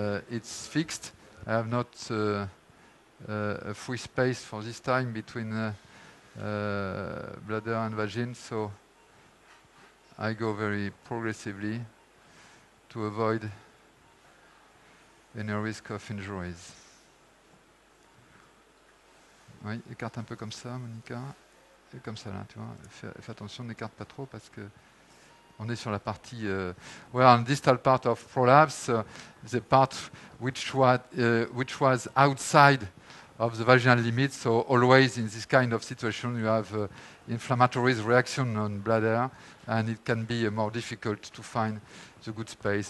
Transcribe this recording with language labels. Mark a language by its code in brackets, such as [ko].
[en] It's fixed. I have not a free space for this time between bladder and vagina, so I go very progressively to avoid any risk of injuries. [fr] Oui, écarte un peu comme ça, Monica, et comme ça là, tu vois. Fais attention, n'écarte pas trop parce que. On est sur la partie, [en] on the distal part of prolapse, the part which was outside of the vaginal limit. So always in this kind of situation, you have inflammatory reaction on bladder, and it can be more difficult to find the good space.